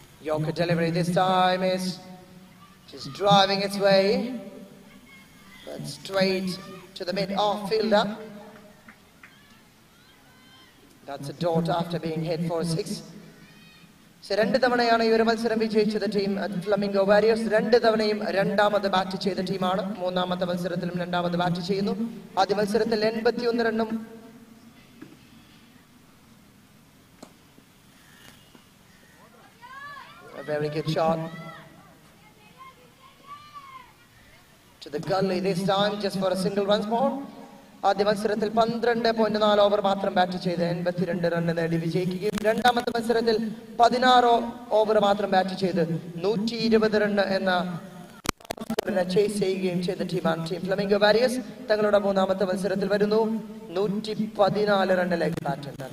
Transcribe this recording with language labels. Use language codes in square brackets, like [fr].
[en] Yorker delivery this time is just driving its way, but straight to the mid-off fielder. That's a dot after being hit for 6. [ml] പക്ഷെ രണ്ട് തവണയാണ് ഈ ഒരു മത്സരം വിജയിച്ചത് team flamingo warriors. രണ്ട് തവണയും രണ്ടാമത് ബാറ്റ് ചെയ്ത ടീമാണ്. മൂന്നാമത്തെ മത്സരത്തിലും രണ്ടാമത് ബാറ്റ് ചെയ്യുന്നു. ആദ്യ മത്സരത്തിൽ 81 റണ്ണും [en] a Very good shot. To the gully this time, just for a single run spot. [ml] ആദ്യ മത്സരത്തിൽ 12.4 ഓവർ മാത്രം ബാറ്റ് ചെയ്ത് 82 റൺ നേടി വിജയിക്കുകയും രണ്ടാമത്തെ മത്സരത്തിൽ 16 ഓവർ മാത്രം ബാറ്റ് ചെയ്ത് 120 റൺ എന്ന ചേസ് ചെയ്യുകയും ചെയ്ത ടീമാണ് ടീം ഫ്ലമിംഗോ വാരിയേഴ്സ്. തങ്ങളുടെ മൂന്നാമത്തെ മത്സരത്തിൽ വരുന്നു 114 റണ്ണിലേക്ക് ബാറ്റുണ്ട്.